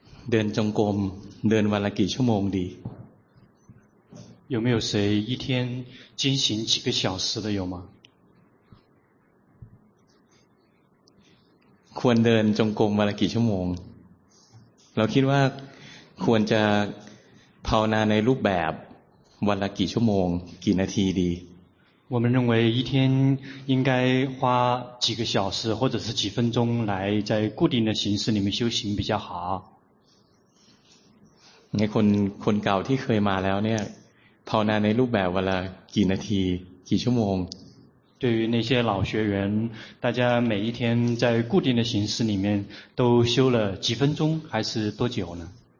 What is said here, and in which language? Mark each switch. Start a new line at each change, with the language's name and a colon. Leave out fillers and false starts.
Thai: เดินจงกรมเดินวันละกี่ชั่วโมงดี
Chinese: 有没有谁一天进行几个小时的有吗
Thai: ควรเดินจงกรมวันละกี่ชั่วโมงเราคิดว่าควรจะภาวนาในรูปแบบวันละกี่ชั่วโมงกี่นาทีดี
Chinese: 我们认为一天应该花几个小时或者是几分钟来在固定的形式里面修行比较好
Thai: ในคนเก่าที่เคยมาแล้วเนี่ยภาวนาในรูปแบบวันละกี่นาทีกี่ชั่วโมง
Chinese: 对于那些老学员大家每一天在固定的形式里面都修了几分钟还是多久呢